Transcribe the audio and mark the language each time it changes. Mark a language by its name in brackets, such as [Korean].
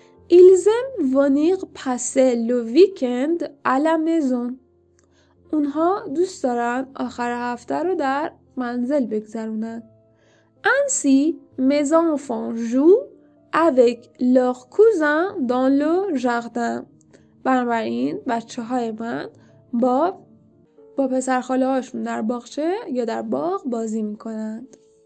[French] Ils aiment venir passer le week-end à la maison. [Persian] اونها دوست دارن آخر هفته رو در منزل بگذرونن. [French] Ainsi, mes enfants jouent avec leurs cousins dans le jardin. [Persian] بنابراین بچه های من با پسر خاله هاشون در باغچه یا در باغ بازی میکنند.